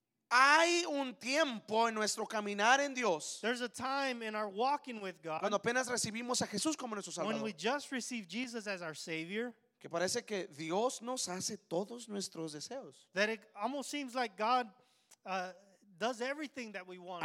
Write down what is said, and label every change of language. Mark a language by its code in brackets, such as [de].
[es] Hay un tiempo en nuestro caminar en Dios, [en] there's a time in our walking with God, [es] cuando apenas recibimos a Jesús como nuestro Salvador, [en] when we just received Jesus as our Savior, [es] que parece que Dios nos hace todos nuestros deseos, [en] that it almost seems like God does everything that we want,